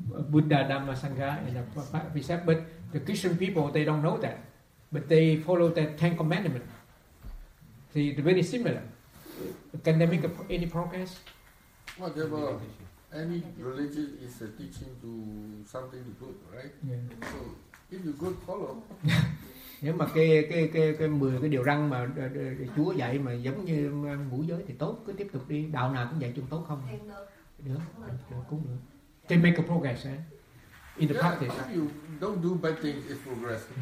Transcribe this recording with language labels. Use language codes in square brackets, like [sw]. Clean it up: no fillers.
[en] Buddha, Dhamma, Sangha, and the precept. But the Christian people, they don't know that, but they follow the Ten Commandments. See, they're very similar. Can they make any progress? Whatever, any religion is a teaching to something good, right? Yeah. So if you good, follow. [vi] Nếu mà cái 10 cái điều răn mà Chúa dạy mà giống như ngũ giới thì tốt, cứ tiếp tục đi, đạo nào cũng dạy chung tốt không? Được, cũng được. [en] Can make a progress eh? In the practice. If you don't do bad things, it's progress.